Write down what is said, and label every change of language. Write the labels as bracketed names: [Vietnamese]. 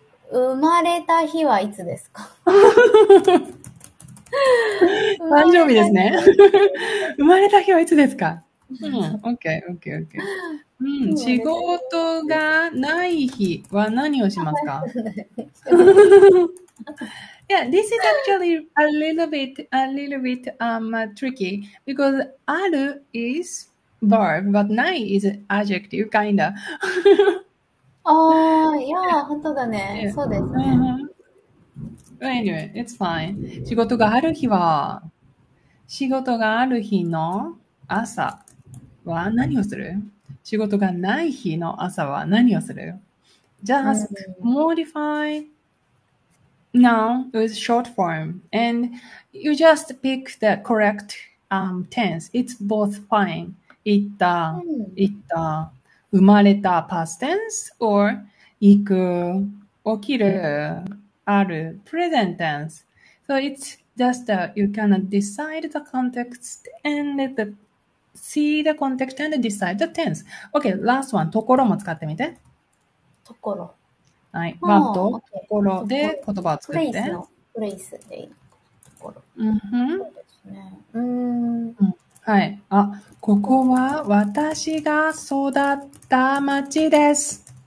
[Japanese] 生まれた日はいつですか？誕生日ですね。生まれた日はいつですか？うん、OK、OK、OK。仕事がない日は何をしますか？ [English] Yeah, this is actually a little bit tricky because aru is verb, but nai is adjective, kinda. [Japanese] Oh, yeah, 本当だね。そうですね。 [English] Anyway, it's fine. [Japanese] 仕事がある日は、仕事がある日の朝は何をする？仕事がない日の朝は何をする？ [English] Just modify. Noun with short form, and you just pick the correct tense. It's both fine. Itta, 生まれた past tense, or 行く起きるある present tense. So it's just that you can decide the context and see the context and decide the tense. Okay, last one. [Japanese] ところも使ってみて。ところ。はい。バブとところで言葉を作って。プレイスでいい。ところ。そうですね。はい。あ、ここは私が育った町です。